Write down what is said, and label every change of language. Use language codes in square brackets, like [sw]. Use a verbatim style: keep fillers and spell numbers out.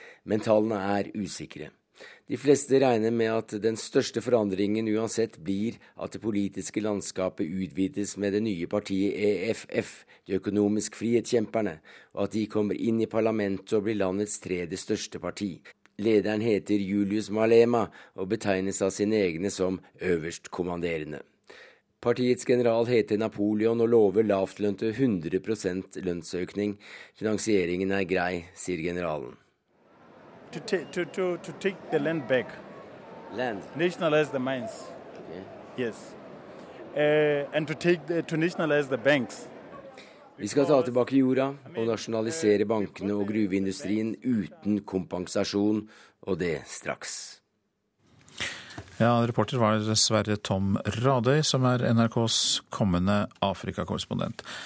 [no] Men tallene er usikre. De fleste regner med at den største forandringen uansett blir at det politiske landskapet utvides med det nye partiet E F F, de økonomisk frihetskjemperne, og at de kommer inn i parlamentet og blir landets tredje største parti. Lederen heter Julius Malema og betegnes av sine egne som øverstkommanderende. Partiets general heter Napoleon og lover lavtlønte hundre prosent lønnsøkning. Finansieringen er grei, sier generalen. [en] To, ta- to, to, to take the land back. Land? Nationalize the mines. Okay. Yes. Uh, and to, take the, to nationalize the banks. [no] Vi skal ta tilbake jorda og nasjonalisere bankene og gruveindustrien uten kompensasjon, og det straks. Ja, reporter var dessverre Tom Radøy, som er N R K's kommende Afrikakorrespondent.